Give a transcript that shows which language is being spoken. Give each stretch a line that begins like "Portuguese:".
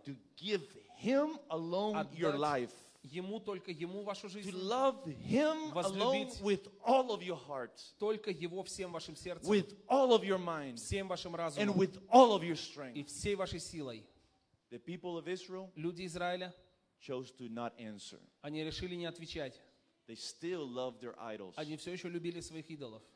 English: to give Him alone your life.
Russian: Ему, только Ему вашу жизнь.
English: To love Him alone with all of your heart.
Russian: Только Его всем вашим сердцем.
English: With all of your mind.
Russian: Всем вашим разумом.
English: And with all of your strength.
Russian: И всей вашей силой.
English: The people of Israel
Russian: люди Израиля
English: chose to not answer.
Russian: Они решили не отвечать.
English: They still loved their idols.
Russian: Они все еще любили своих идолов.